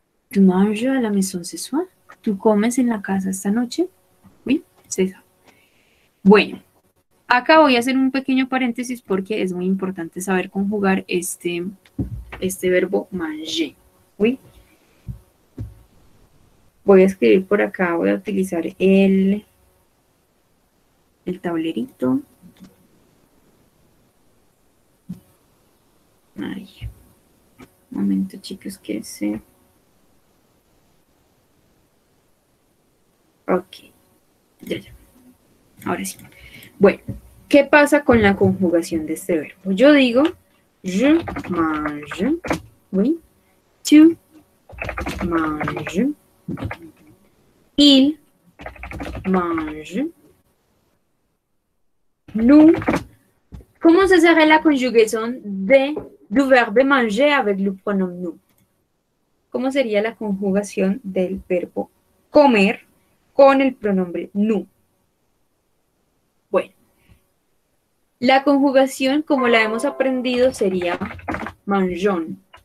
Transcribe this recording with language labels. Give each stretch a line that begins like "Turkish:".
French: Tu manges à la maison ce soir.
Spanish: Tu comes en la casa esta noche.
French: Oui, c'est ça.
Spanish: Bueno. Acá voy a hacer un pequeño paréntesis porque es muy importante saber conjugar este verbo manger. ¿Oui? Voy a escribir por acá, voy a utilizar el tablerito. Ay, un momento, chicos, que se. Ok, ya. Ahora sí. Bueno. ¿Qué pasa con la conjugación de este verbo? Yo digo,
French: je mange, oui, tu mange, il mange, nous.
Spanish: ¿Cómo se
French: serait
Spanish: la conjugación
French: du verbe manger avec le pronom nous?
Spanish: ¿Cómo sería la conjugación del verbo comer con el pronombre nous? La conjugación, como la hemos aprendido, sería manjón.